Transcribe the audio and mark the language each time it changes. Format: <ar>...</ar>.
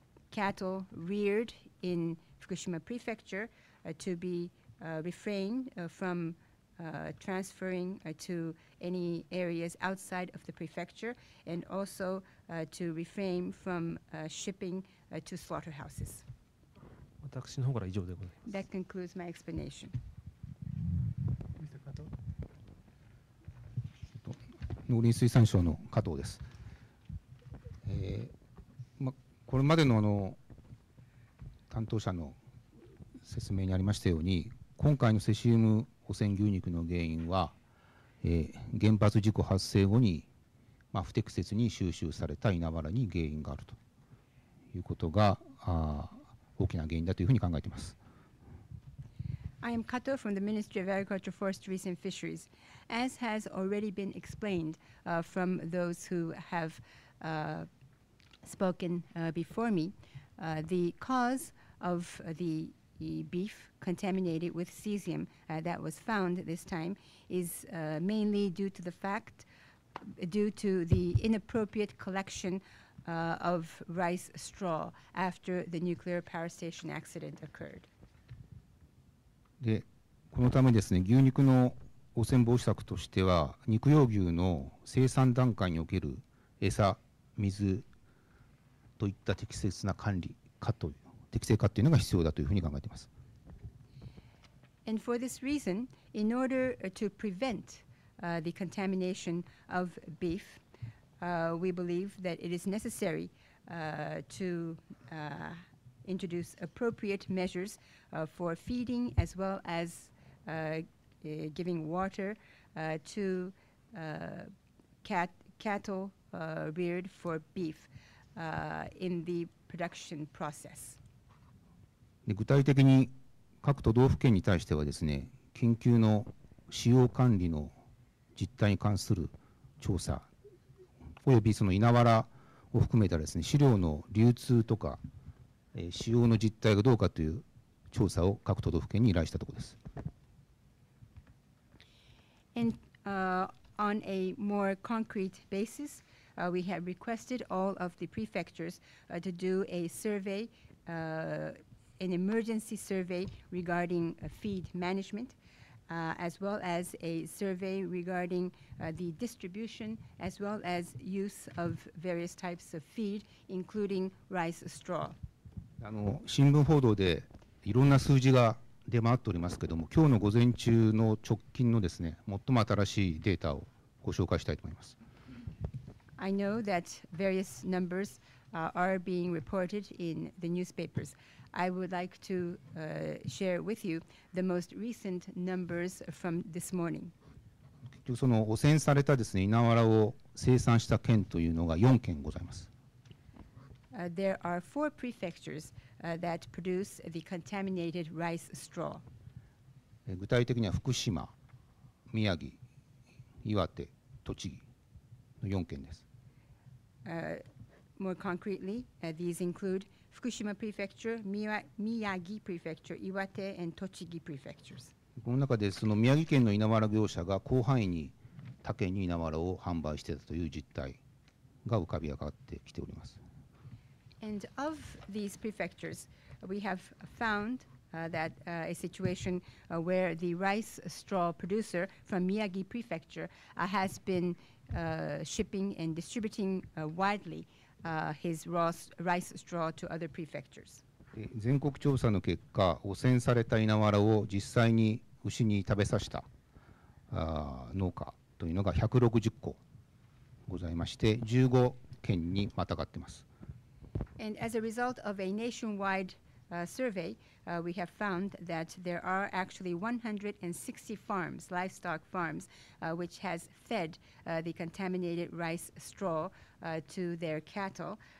<en>cattle reared in Fukushima Prefecture to be refrained from transferring to any areas outside of the prefecture and also to refrain from shipping to slaughterhouses.</en> <ja>私の方から以上でございます。</ja> <en>That concludes my explanation. Mr. Kato.</en> <ja>農林水産省の加藤です。ま、これまでの担当者の説明にありましたように、今回のセシウム汚染牛肉の原因は、原発事故発生後に、まあ、不適切に収集された稲わらに原因があるということが大きな原因だというふうに考えています。</ja> <en>I am Kato from the Ministry of Agriculture, Forestries and Fisheries. As has already been explained from those who have spoken before me, the cause of the beef contaminated with cesium that was found this time is mainly due to the fact, due to the inappropriate collection of rice straw after the nuclear power station accident occurred.</en> <ja>で、このためですね、牛肉の汚染防止策としては、肉用牛の生産段階における餌、水といった適切な管理かという適正化というのが必要だというふうに考えています。</ja> <en>And for this reason, in order to prevent the contamination of beef, we believe that it is necessary to introduce appropriate measures for feeding as well as giving water to cattle reared for beef in the production process.</en> <ja>具体的に各都道府県に対してはですね、緊急の使用管理の実態に関する調査およびその稲わらを含めたですね、飼料の流通とか使用の実態がどうかという調査を各都道府県に依頼したところです。</ja> <en>And on a more concrete basis, we have requested all of the prefectures to do a survey, an emergency survey regarding feed management, as well as a survey regarding the distribution as well as use of various types of feed, including rice straw.</en> <ja>新聞報道でいろんな数字が出回っておりますけれども、今日の午前中の直近のですね、最も新しいデータをご紹介したいと思います。</ja> <en>I know that various numbers are being reported in the newspapers. I would like to share with you the most recent numbers from this morning.</en> <ja>結局その汚染されたですね、稲わらを生産した県というのが4県ございます。</ja> <en>There are four prefectures that produce the contaminated rice straw.</en> <ja>具体的には福島、宮城、岩手、栃木の4県です。</ja> <en>More concretely, these include Fukushima Prefecture, Miyagi Prefecture, Iwate, and Tochigi Prefectures.</en> <ja>この中でその宮城県の稲わら業者が広範囲に他県に稲わらを販売していたという実態が浮かび上がってきております。</ja> <en>And of these prefectures, we have found that a situation where the rice straw producer from Miyagi Prefecture has been shipping and distributing widely his raw rice straw to other prefectures.</en> <ja>全国調査の結果、汚染された稲わらを実際に牛に食べさせた農家というのが160戸ございまして、15県にまたがっています。</ja> <en>And as a result of a nationwide survey, we have found that there are actually 160 farms, livestock farms, which has fed the contaminated rice straw to their cattle.</en>